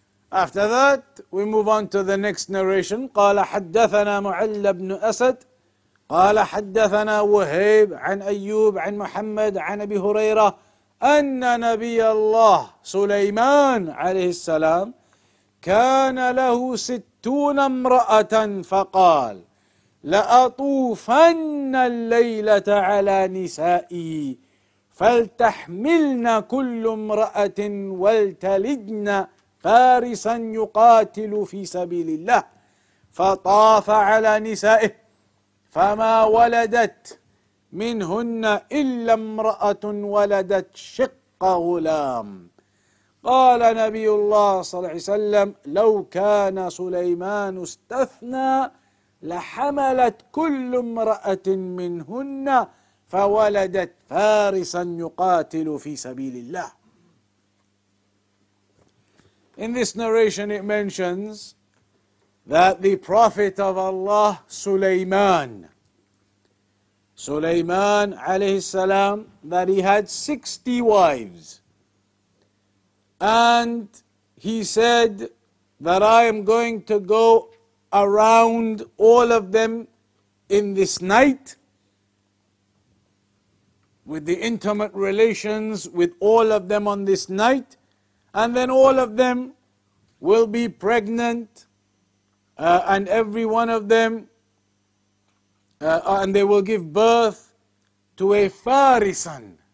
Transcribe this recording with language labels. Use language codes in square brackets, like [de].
[en] After that, we move on to the next narration. [ar] قال حدثنا معل بن أسد قال حدثنا وهيب عن أيوب عن محمد عن أبي هريرة أن نبي الله سليمان عليه السلام كان له 60 امرأة فقال لأطوفن الليلة على نسائي فلتحملن كل امرأة ولتلدن فارسا يقاتل في سبيل الله فطاف على نسائه فما ولدت منهن إلا امرأة ولدت شق غلام. قال نبي الله صلى الله عليه وسلم لو كان سليمان استثنى لحملت كل امرأة منهن فولدت فارسا يقاتل في سبيل الله. [en] In this narration it mentions that the Prophet of Allah, Sulaiman عليه السلام, that he had 60 wives. And he said that I am going to go around all of them in this night with the intimate relations with all of them on this night, and then all of them will be pregnant and every one of them and they will give birth to a farisan.